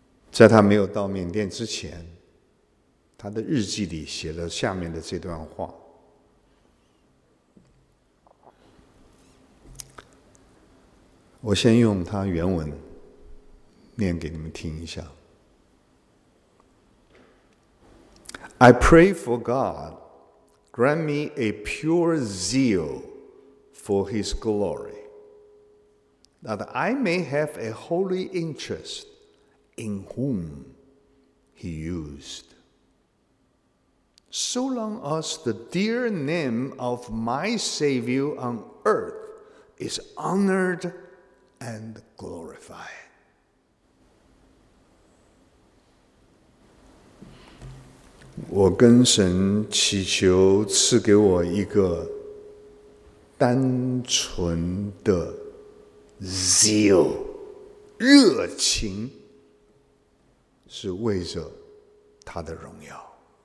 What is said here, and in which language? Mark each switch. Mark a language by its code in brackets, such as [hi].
[zh] 在他没有到缅甸之前，他的日记里写了下面的这段话。我先用他原文念给你们听一下。 [en] I pray for God, grant me a pure zeal for His glory, that I may have a holy interest in whom He used. So long as the dear name of my Savior on earth is honored and glorified. [zh] 我跟神祈求赐给我一个单纯的 zeal， 热情是为着他的荣耀，